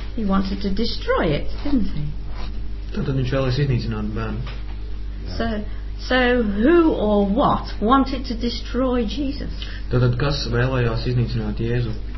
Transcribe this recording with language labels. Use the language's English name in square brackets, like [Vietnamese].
[English] He wanted to destroy it, didn't he? [Latvian] Tātad viņš vēlēs iznīcināt bērnu. [English] So, who or what wanted to destroy Jesus? [Latvian] Tātad kas vēlējās iznīcināt Jēzu?